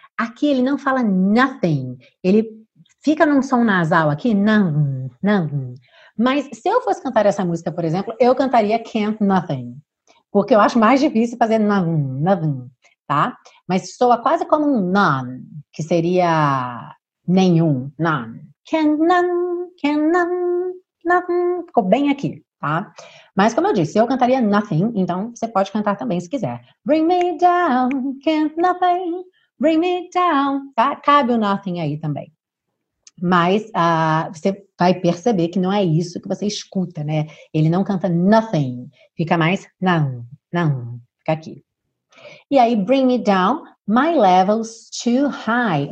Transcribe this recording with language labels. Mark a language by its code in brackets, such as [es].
[pt] Aqui ele não fala nothing, ele fica num som nasal aqui, none, none. Mas se eu fosse cantar essa música, por exemplo, eu cantaria [en] can't nothing. [pt] Porque eu acho mais difícil fazer [en] none, nothing, [pt] tá? Mas soa quase como um none, que seria nenhum, none. [en] Can't none, can't none, nothing. [pt] Ficou bem aqui, tá? Mas como eu disse, eu cantaria nothing, então você pode cantar também se quiser. [en] Bring me down, can't nothing, bring me down. [pt] Tá? Cabe o nothing aí também. Mas você vai perceber que não é isso que você escuta, né? Ele não canta nothing. Fica mais não, não. Fica aqui. E aí, [en] bring me down. My level's too high.